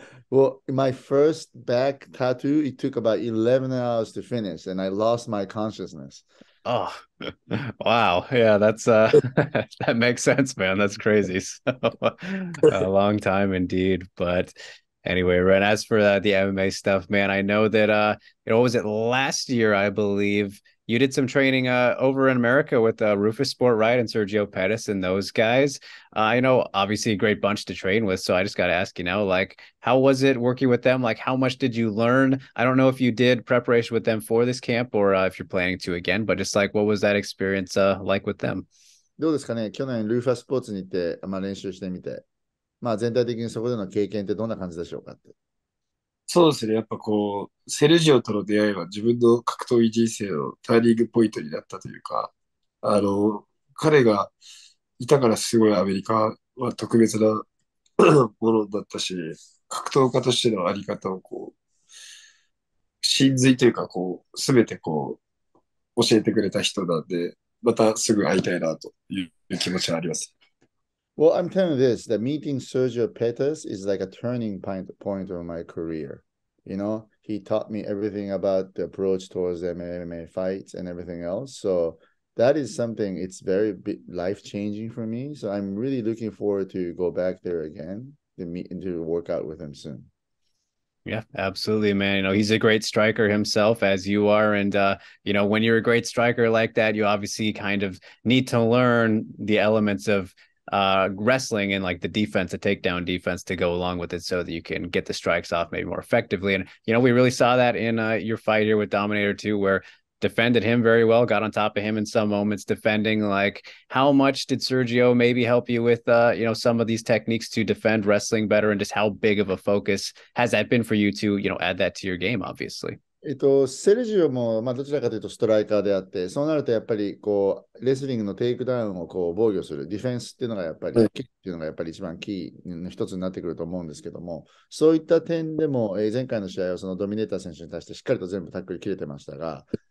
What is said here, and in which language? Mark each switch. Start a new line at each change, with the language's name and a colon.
English: Well, my first back tattoo, it took about 11 hours to finish, and I lost my consciousness. Oh, wow. Yeah, that's, that makes sense, man. That's crazy. So, a long time indeed. But anyway, Ren, as for the MMA stuff, man, I know that, was it last year, I believe, you did some training over in America with Rufus Sport, right, and Sergio Pettis and those guys. I know, obviously, a great bunch to train with, so I just got to ask you now, like, how was it working with them? Like, how much did you learn? I don't know if you did preparation with them for this camp or if you're planning to again, but just, like, what was that experience like with them?
Japanese: どうですかね、去年、Rufus Sports に行って、まあ、練習してみて、まあ、全体的にそこでの経験ってどんな感じでしょうかって。そうですね。やっぱこう、セルジオとの出会いは自分の格闘技人生のターニングポイントになったというか、あの、彼がいたからすごいアメリカは特別なものだったし、格闘家としてのあり方をこう、真髄というかこう、すべてこう、教えてくれた人なんで、またすぐ会いたいなという気持ちがあります。
English: Well, I'm telling you this, that meeting Sergio Pettis is like a turning point of my career. You know, he taught me everything about the approach towards MMA fights and everything else. So that is something, it's very life-changing for me. So I'm really looking forward to go back there again to meet and to work out with him soon. Yeah, absolutely, man. You know, he's a great striker himself, as you are. And, you know, when you're a great striker like that, you obviously kind of need to learn the elements of wrestling and like the defense, the takedown defense to go along with it so that you can get the strikes off maybe more effectively. And, you know, we really saw that in your fight here with Dominator 2 where defended him very well, got on top of him in some moments defending. Like, how much did Sergio maybe help you with, you know, some of these techniques to defend wrestling better? And just how big of a focus has that been for you to, you know, add that to your game, obviously?
Japanese: セルジオも、まあ、どちらかというとストライカーであって、そうなるとやっぱりこうレスリングのテイクダウンをこう防御する、ディフェンスっていうのがやっぱり、はい、キックっていうのがやっぱり一番キーの一つになってくると思うんですけども、そういった点でも、前回の試合はそのドミネーター選手に対してしっかりと全部タックル切れてましたが、